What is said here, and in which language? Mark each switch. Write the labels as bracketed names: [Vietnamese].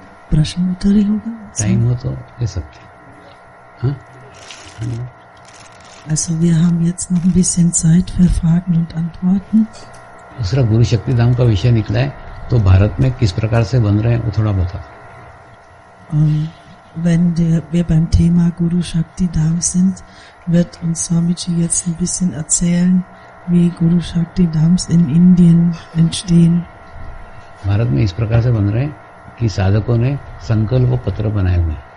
[Hindi] प्रश्न उत्तर ही होगा, टाइम हो तो ले सकते हैं। [German] Also wir haben jetzt noch ein bisschen Zeit für Fragen und Antworten. [Hindi] दूसरा गुरु शक्ति धाम का विषय निकला है तो भारत में किस प्रकार से बन रहे हैं वो थोड़ा बता। [German] Wenn wir beim Thema Guru Shakti Dham sind, wird uns Swamiji jetzt ein bisschen erzählen, wie Guru Shakti Dhams in Indien entstehen. [Hindi] Bharat में इस प्रकार से बन रहे हैं कि साधकों ने संकल्प पत्र बनाए हुए।